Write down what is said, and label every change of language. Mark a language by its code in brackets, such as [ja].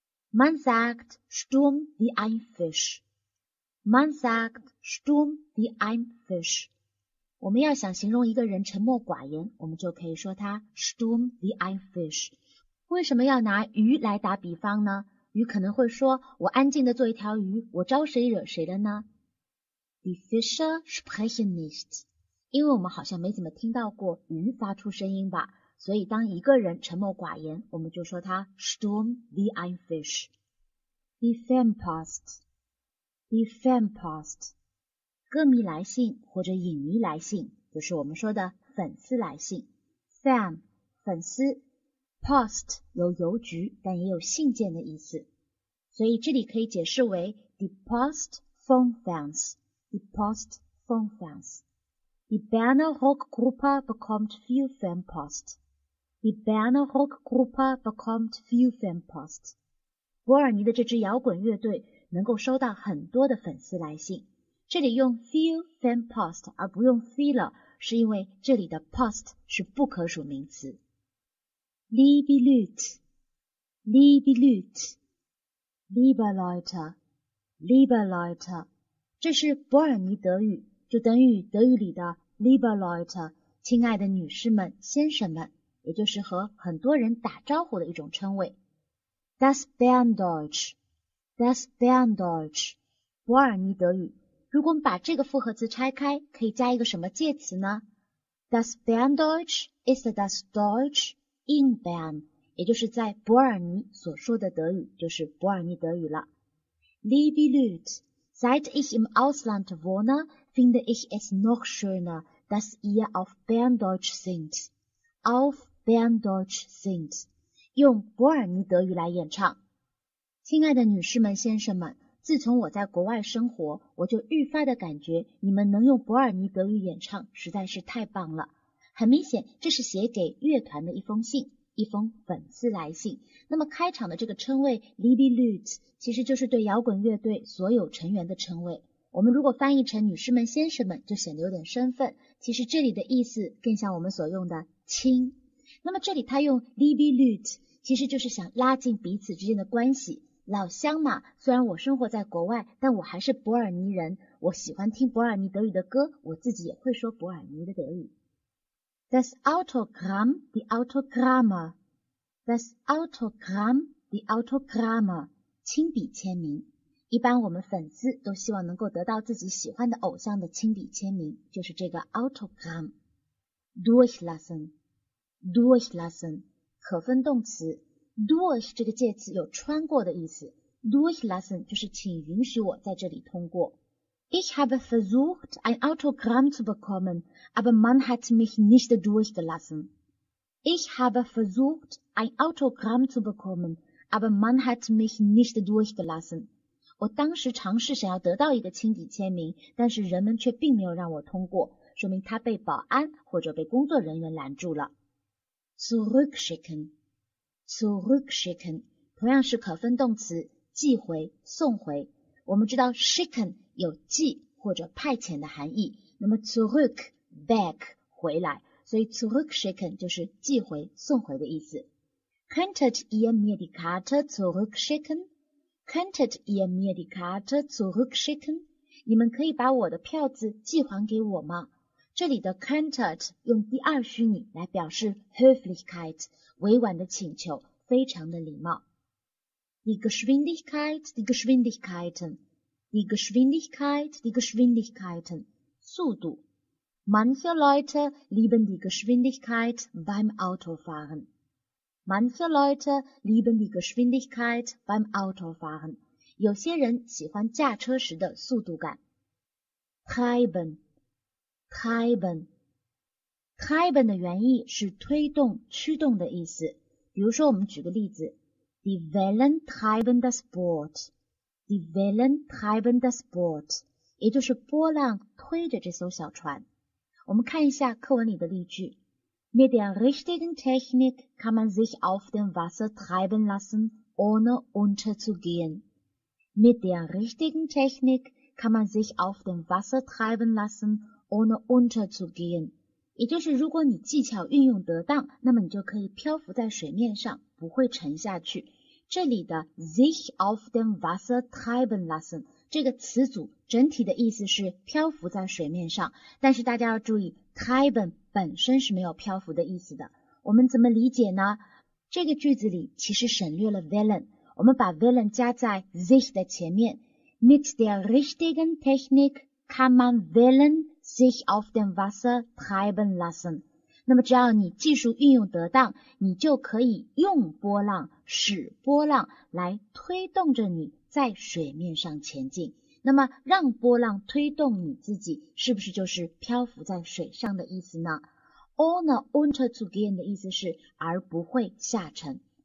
[de] Man sagt stumm wie ein Fisch. Man sagt stumm wie ein Fisch. [zh] 我们要想形容一个人沉默寡言，我们就可以说他 [de] stumm wie ein Fisch. [zh] 为什么要拿鱼来打比方呢？鱼可能会说，我安静地做一条鱼，我招谁惹谁了呢？ [de] Die Fische sprechen nicht. [zh] 因为我们好像没怎么听到过鱼发出声音吧，所以当一个人沉默寡言，我们就说他 [de] Sturm wie ein Fisch. Die Fan Post, die Fan Post. [zh] 歌迷来信或者影迷来信，就是我们说的粉丝来信。 fan 粉丝 ，post 有邮局，但也有信件的意思，所以这里可以解释为 deposit phone fans， deposit phone fans。 [de] Die Berner Rockgruppe bekommt viel Fanpost. Die Berner Rockgruppe bekommt viel Fanpost. [zh] 伯尔尼的这支摇滚乐队能够收到很多的粉丝来信。这里用 [de] viel Fanpost [zh] 而不用 viele， 是因为这里的 post 是不可数名词。 [de] Liebe Leute, Liebe Leute, Liebe Leute, Liebe Leute， [zh] 这是伯尔尼德语。就等于德语里的 [de] Liebe Leute， [zh] 亲爱的女士们、先生们，也就是和很多人打招呼的一种称谓。 [de] Das Berndeutsch， Das Berndeutsch， [zh] 伯尔尼德语。如果我们把这个复合词拆开，可以加一个什么介词呢？ [de] Das Berndeutsch ist das Deutsch in Bern， [zh] 也就是在伯尔尼所说的德语，就是伯尔尼德语了。 [de] Liebe Leute，Seit ich im Ausland wohne, finde ich es noch schöner, dass ihr auf Berndeutsch singt. Auf Berndeutsch singt. [zh] 用伯尔尼德语来演唱。亲爱的女士们、先生们，自从我在国外生活，我就愈发的感觉你们能用伯尔尼德语演唱实在是太棒了。很明显，这是写给乐团的一封信。一封粉丝来信。那么开场的这个称谓 [de] Liebe Leute [zh] 其实就是对摇滚乐队所有成员的称谓，我们如果翻译成女士们、先生们，就显得有点身份，其实这里的意思更像我们所用的亲。那么这里他用 [de] Liebe Leute [zh] 其实就是想拉近彼此之间的关系，老乡嘛，虽然我生活在国外，但我还是伯尔尼人，我喜欢听伯尔尼德语的歌，我自己也会说伯尔尼的德语。 [de] Das Autogramm, die Autogramme. Das Autogramm, die Autogramme. [zh] 亲笔签名。一般我们粉丝都希望能够得到自己喜欢的偶像的亲笔签名，就是这个 Autogramm. [de] Durchlassen. Durchlassen. [zh] 可分动词。 Durch 这个介词有穿过的意思。Durchlassen 就是请允许我在这里通过。 [de] Ich habe versucht, ein Autogramm zu bekommen, aber man hat mich nicht durchgelassen. Ich habe versucht, ein Autogramm zu bekommen, aber man hat mich nicht durchgelassen. [zh] 我当时尝试想要得到一个亲笔签名，但是人们却并没有让我通过，说明他被保安或者被工作人员拦住了。 [de] Zurückschicken, zurückschicken, [zh] 同样是可分动词，寄回、送回。我们知道 schicken 有寄或者派遣的含义，那么 zurück back 回来，所以 zurückschicken 就是寄回、送回的意思。 [de] Könntet ihr mir die Karte zurückschicken? Könntet ihr mir die Karte zurückschicken? [zh] 你们可以把我的票子寄还给我吗？这里的 könntet 用第二虚拟来表示 Höflichkeit 委婉的请求，非常的礼貌。 [de] Die Geschwindigkeit, die Geschwindigkeiten, die Geschwindigkeit, die Geschwindigkeiten, [zh] 速度。 [de] Manche Leute lieben die Geschwindigkeit beim Autofahren. Manche Leute lieben die Geschwindigkeit beim Autofahren. [zh] 有些人喜欢驾车时的速度感。 [de] Treiben, treiben, [zh] treiben 的原意是推动、驱动的意思。比如说，我们举个例子。 [de] Die Wellen treiben das Boot. Die Wellen treiben das Boot. [zh] 也就是波浪推着这艘小船。我们看一下课文里的例句。 [de] Mit der richtigen Technik kann man sich auf dem Wasser treiben lassen, ohne unterzugehen. Mit der richtigen Technik kann man sich auf dem Wasser treiben lassen, ohne unterzugehen. [zh] 也就是如果你技巧运用得当，那么你就可以漂浮在水面上。不会沉下去。这里的 [de] sich auf dem Wasser treiben lassen [zh] 这个词组整体的意思是漂浮在水面上，但是大家要注意 treiben 本身是没有漂浮的意思的。我们怎么理解呢？这个句子里其实省略了 Wellen， 我们把 Wellen 加在 sich 的前面。 [de] Mit der richtigen Technik kann man Wellen sich auf dem Wasser treiben lassen， [zh] 那么只要你技术运用得当，你就可以用波浪、使波浪来推动着你在水面上前进。那么让波浪推动你自己，是不是就是漂浮在水上的意思呢？ [de] ohne unterzugehen [zh] 的意思是而不会下沉。